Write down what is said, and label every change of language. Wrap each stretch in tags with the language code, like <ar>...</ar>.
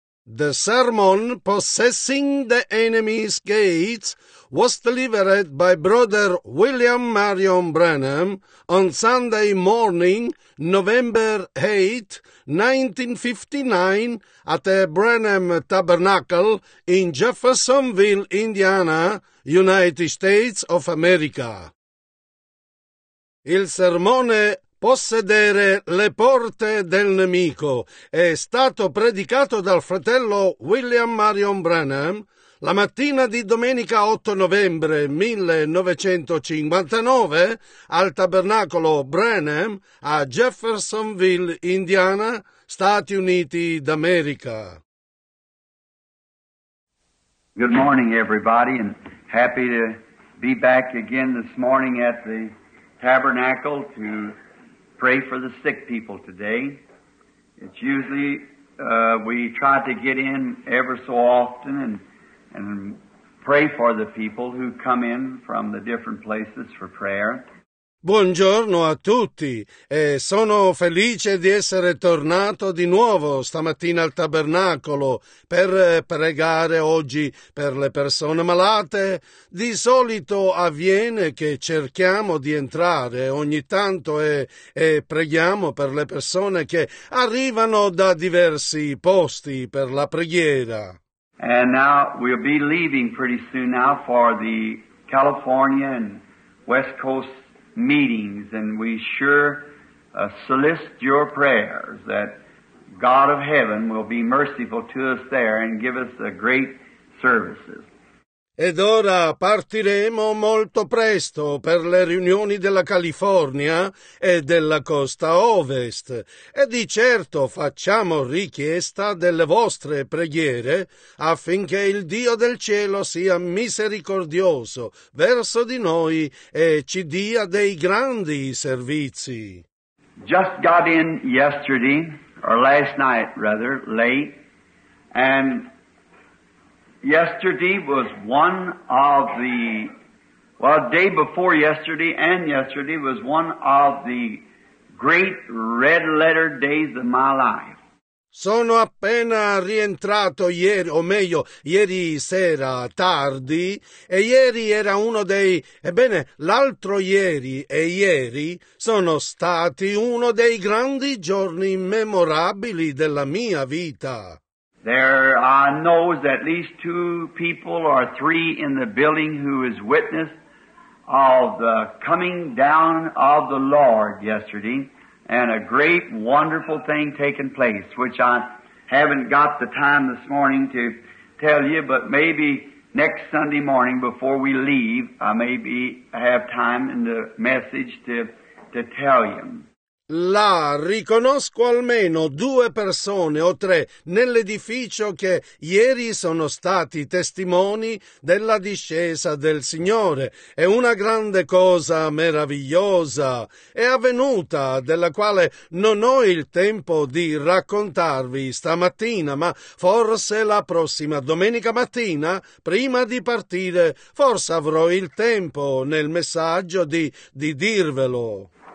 <en>The sermon, Possessing the Enemy's Gates, was delivered by Brother William Marion Branham on Sunday morning, November 8, 1959, at the Branham Tabernacle in Jeffersonville, Indiana, United States of America.</en> <it>Il sermone Possedere le porte del nemico è stato predicato dal fratello William Marion Branham la mattina di domenica 8 novembre 1959 al tabernacolo Branham a Jeffersonville, Indiana, Stati Uniti d'America.</it> <en>Good morning everybody and happy to be back again this morning at the tabernacle to pray for the sick people today. It's usually, we try to get in ever so often and pray for the people who come in from the different places for prayer.</en> <it>Buongiorno a tutti e sono felice di essere tornato di nuovo stamattina al tabernacolo per pregare oggi per le persone malate. Di solito avviene che cerchiamo di entrare ogni tanto e preghiamo per le persone che arrivano da diversi posti per la preghiera.</it> <en>And now we'll be leaving pretty soon now for the California and West Coast meetings, and we sure solicit your prayers that God of heaven will be merciful to us there and give us a great services.</en> <it>Ed ora partiremo molto presto per le riunioni della California e della costa ovest, e di certo facciamo richiesta delle vostre preghiere affinché il Dio del cielo sia misericordioso verso di noi e ci dia dei grandi servizi.</it> <en>Just got in yesterday, or last night rather, late, and yesterday was one of the, well, day before yesterday and yesterday was one of the great red letter days of my life.</en> <it>Sono appena rientrato ieri, o meglio, ieri sera tardi, e ieri era uno dei, ebbene, l'altro ieri e ieri sono stati uno dei grandi giorni memorabili della mia vita.</it> <en>There I knows at least two people or three in the building who is witness of the coming down of the Lord yesterday and a great wonderful thing taking place, which I haven't got the time this morning to tell you, but maybe next Sunday morning before we leave, I maybe have time in the message to tell you.</en> <it>Là riconosco almeno due persone o tre nell'edificio che ieri sono stati testimoni della discesa del Signore. È una grande cosa meravigliosa, è avvenuta, della quale non ho il tempo di raccontarvi stamattina, ma forse la prossima domenica mattina, prima di partire, forse avrò il tempo nel messaggio di dirvelo.</it>